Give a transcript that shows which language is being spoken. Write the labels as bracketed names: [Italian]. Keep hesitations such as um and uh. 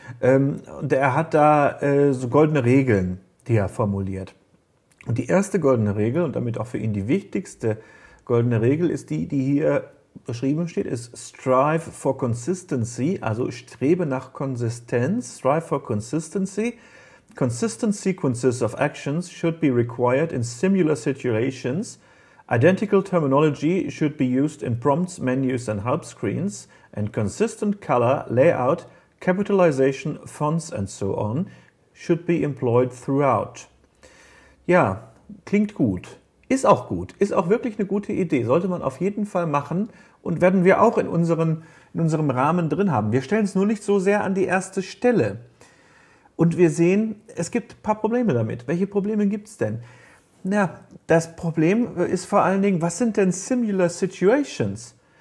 [German] Und er hat da so goldene Regeln, die er formuliert. Und die erste goldene Regel und damit auch für ihn die wichtigste goldene Regel ist die, die hier beschrieben steht, ist [English] Strive for Consistency, [German] also strebe nach Konsistenz, Strive for Consistency. [English] Consistent sequences of actions should be required in similar situations. Identical terminology should be used in prompts, menus and help screens and consistent color, layout, capitalization, fonts and so on should be employed throughout. [German] Ja, klingt gut. Ist auch gut. Ist auch wirklich eine gute Idee. Sollte man auf jeden Fall machen und werden wir auch in, unseren, in unserem Rahmen drin haben. Wir stellen es nur nicht so sehr an die erste Stelle. Und wir sehen, es gibt ein paar Probleme damit. Welche Probleme gibt es denn? Na, das Problem ist vor allen Dingen, was sind denn [English] Similar Situations?